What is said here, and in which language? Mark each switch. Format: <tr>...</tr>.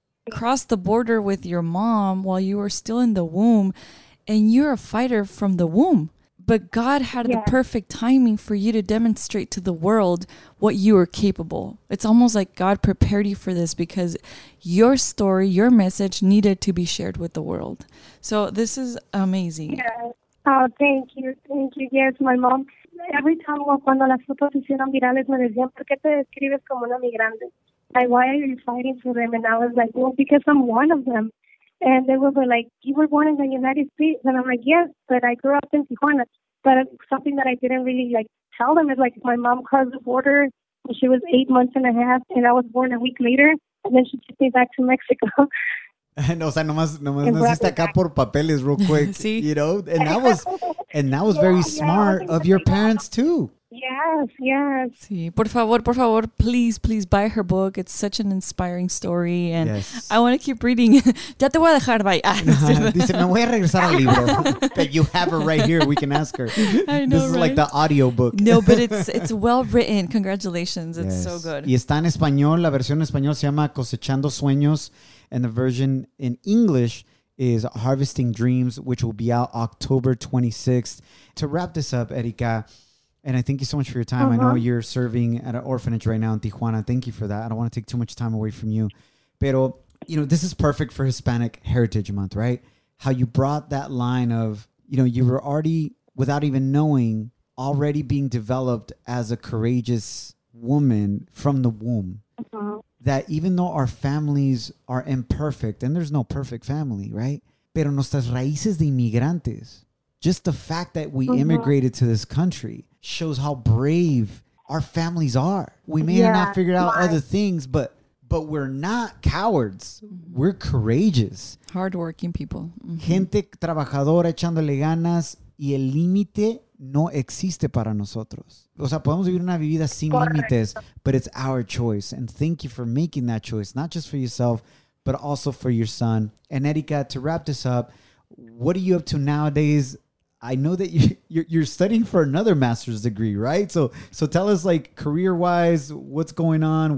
<en>cross the border with your mom while you were still in the womb and you're a fighter from the womb, but God had the perfect timing for you to demonstrate to the world what you are capable. It's almost like God prepared you for this because your story, your message needed to be shared with the world. So this is amazing. Yeah. Oh thank you. Yes, my mom, every time</en> <es>cuando las fotos hicieron virales me decían, ¿por qué te describes como una migrante?</es> <en>Like, why are you fighting for them? And I was like, well, because I'm one of them. And they were like, you were born in the United States. And I'm like, yes, but I grew up in Tijuana. But something that I didn't really, like, tell them is, like, my mom crossed the border when she was 8 months and a half, and I was born a week later, and then she took me back to Mexico.</en> <es>No, o sea, nomás naciste acá por papeles</es> <en>real quick,</en> <es>sí.</es> <en>You know? And that was, very smart of your parents, too. Yes.</en> <es>Sí, por favor,</es> <en>please buy her book. It's such an inspiring story. And yes. I want to keep reading.</en> <es>Ya te voy a dejar,</es> <en>bye. Ah,</en> <es>no, dice, me voy a regresar al libro.</es> <en>But you have her right here. We can ask her. I know, this right? Is like the audio book. No, but it's well written. Congratulations. It's so good.</en> <es>Y está en español. La versión en español se llama Cosechando Sueños.</es> <en>And the version in English is Harvesting Dreams, which will be out October 26th. To wrap this up, Erika, and I thank you so much for your time. Uh-huh. I know you're serving at an orphanage right now in Tijuana. Thank you for that. I don't want to take too much time away from you. Pero, you know, this is perfect for Hispanic Heritage Month, right? How you brought that line of, you know, you were already, without even knowing, already being developed as a courageous woman from the womb. Uh-huh. That even though our families are imperfect, and there's no perfect family, right?</en> <es>Pero nuestras raíces de inmigrantes,</es> <en>just the fact that we</en> <es>uh-huh.</es> <en>immigrated to this country shows how brave our families are. We may yeah. have not figured out other things, but we're not cowards. We're courageous. Hardworking people. Mm-hmm.</en> <es>Gente trabajadora echándole ganas y el límite no existe para nosotros. O sea, podemos vivir una vida sin límites,</es> <en>but it's our choice. And thank you for making that choice, not just for yourself, but also for your son. And Erika, to wrap this up, what are you up to nowadays? I know that you're studying for another master's degree, right? So tell us, like, career-wise, what's going on?</en>